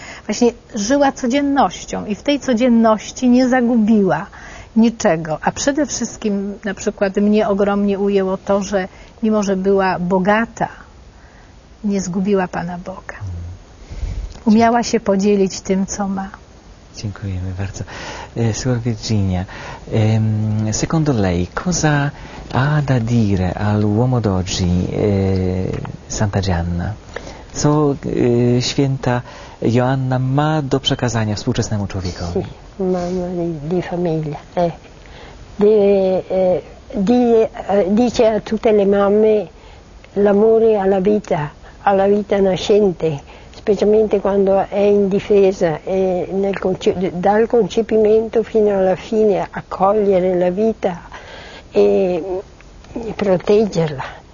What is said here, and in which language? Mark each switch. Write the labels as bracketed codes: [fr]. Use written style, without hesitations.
[pl] Właśnie żyła codziennością i w tej codzienności nie zagubiła niczego. A przede wszystkim na przykład mnie ogromnie ujęło to, że mimo, że była bogata, nie zgubiła Pana Boga. Umiała się podzielić tym, co ma. Dziękujemy bardzo. [it] Sor Virginia, secondo lei, cosa ha da dire all'uomo d'oggi, Santa Gianna? [pl] Co święta Joanna ma do przekazania współczesnemu człowiekowi? [it] Sì, mamma di famiglia. Dice a tutte le mamme l'amore alla vita nascente. Specialmente quando è in difesa, e nel dal concepimento fino alla fine, accogliere la vita e proteggerla.